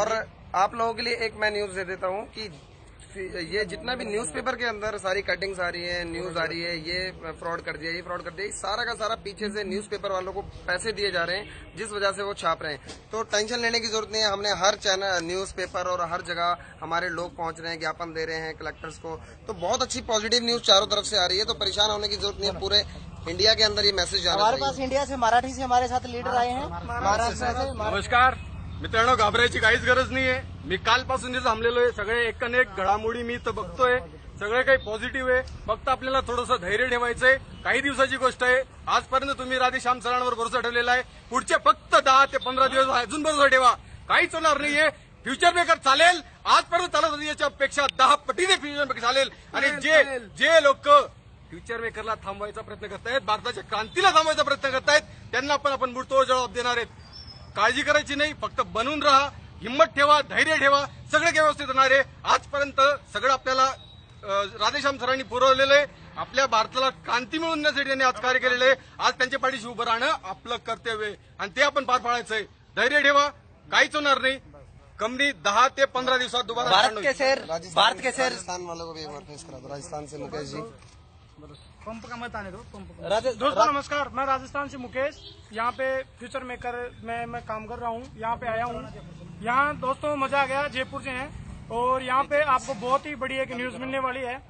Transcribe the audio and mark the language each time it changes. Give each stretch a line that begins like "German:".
Hindi: और आप लोगों के लिए एक मैं न्यूज दे देता हूँ कि ये जितना भी न्यूज़पेपर के अंदर सारी कटिंग्स आ रही है, न्यूज आ रही है, ये फ्रॉड कर दिया, सारा का सारा पीछे से न्यूज़पेपर वालों को पैसे दिए जा रहे हैं जिस वजह से वो छाप रहे हैं। तो टेंशन लेने की जरूरत नहीं है। हमने हर चैनल न्यूज़पेपर और हर जगह हमारे लोग पहुंच रहे हैं, ज्ञापन दे रहे हैं कलेक्टर्स को, तो बहुत अच्छी पॉजिटिव न्यूज चारों तरफ से आ रही है। तो परेशान होने की जरूरत नहीं है, पूरे इंडिया के अंदर ये मैसेज जा रहा है। हमारे पास इंडिया से मराठी से हमारे साथ लीडर आए हैं।
Marathi: नमस्कार मित्रांनो, घाबरायची काहीच गरज नाहीये। मी कालपासून जे थांबलेलो आहे सगळे एक न एक घडामोडी मी तर बघतोय, सगळे काही पॉझिटिव्ह आहे। फक्त आपल्याला थोडस धैर्य ठेवायचंय, काही दिवसाची गोष्ट आहे। आजपर्यंत तुम्ही राधेश्याम सरांवर भरोसा ठेवलेला आहे, पुढचे फक्त 10-15 दिवस अजून भरोसा ठेवा, काहीच होणार नाहीये। फ्युचर मेकर चालेल आजपर्यंत चालत होती याच्या अपेक्षा 10 पटीने फ्युचर मेकर चालेल. आणि जे जे लोक फ्युचर मेकरला थांबवायचा प्रयत्न करतायत, भारताच्या क्रांतीला थांबवायचा प्रयत्न करतायत, त्यांना पण आपण मूळतोड जवाब देणार आहेत. काळजी करायची नाही, फक्त बनून राहा, हिंमत ठेवा, धैर्य ठेवा, सगळं व्यवस्थित होणार आहे. आजपर्यंत सगळं आपल्याला राधेश्याम सरांनी पुरवलेलं आहे. आपल्या भारताला क्रांती मिळवण्यासाठी त्यांनी आज कार्य केलेलं आहे. आज त्यांच्या पाठीशी उभं राहणं आपलं कर्तव्य आहे आणि ते आपण पार पाडायचंय. धैर्य ठेवा, काहीच होणार नाही. कंपनी 10 ते 15 दिवसात दुबार.
Hindi: भारत के सर, भारत के सर, राजस्थान वालों को भी एक बार फेस करा दो. राजस्थान से मुकेश जी, पंप का मत आने दो. दोस्तों नमस्कार, मैं राजस्थान से मुकेश यहाँ पे फ्यूचर मेकर में मैं काम कर रहा हूँ. यहाँ पे आया हूँ, यहाँ दोस्तों मजा आ गया. जयपुर से हैं और यहाँ पे आपको बहुत ही बड़ी एक न्यूज मिलने वाली है.